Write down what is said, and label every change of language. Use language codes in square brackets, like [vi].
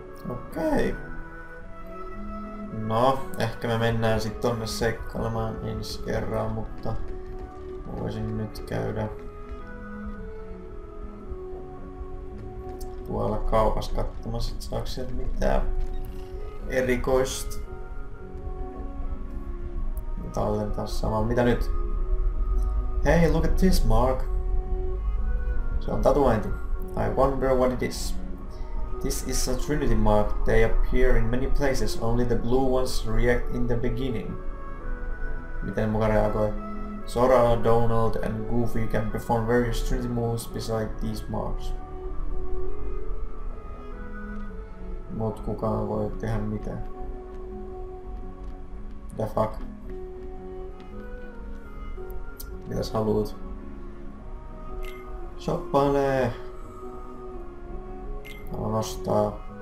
[fi] Okei. Okay. No, ehkä me mennään sit tonne seikkailemaan ensi kerran, mutta voisin nyt käydä tuolla kaupassa katsomassa, et saaks siellä mitään erikoista. Ja tallentaa samaan. Mitä nyt? [en] Hey, look at this, Mark. [fi] Se on tatuointi. [en] I wonder what it is. This is a Trinity mark. They appear in many places. Only the blue ones react in the beginning. [fi] Miten muka reagoi? [en] Sora, Donald and Goofy can perform various Trinity moves beside these marks. [fi] Mut kukaan voi tehdä mitään. [en] The fuck? [fi] Mitäs haluut? Shoppailee! Haluan nostaa.